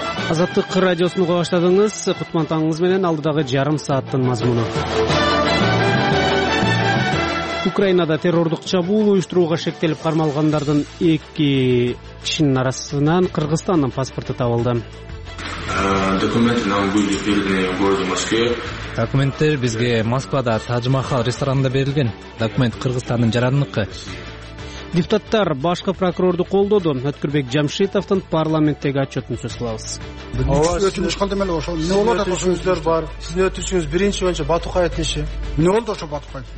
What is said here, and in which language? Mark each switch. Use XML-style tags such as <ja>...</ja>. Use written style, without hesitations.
<ky>Азаттык радиосуну угуп баштадыңыз. Кутман таңыңыз менен алдыдагы жарым сааттын мазмуну. Украинада террордук чабуул уюштурууга шектелип кармалгандардын 2 кишинин арасынан Кыргызстандын паспорту табылды.</ky> <ru>Документы нам были переданы в городе Москве.</ru> <ky>Документтер бизге Москвада Тадж Махал ресторанында берилген. Документ Кыргызстандын жараныныкы. Депутаттар башкы прокурорду колдоду. Өткүрбек Жамшитовтун парламенттеги отчетун сөз кылабыз. Сиздин өтүнүчүңүз биринчи боюнча Батукаевдин иши. Эмне болду ошол Батукаевдин</ky>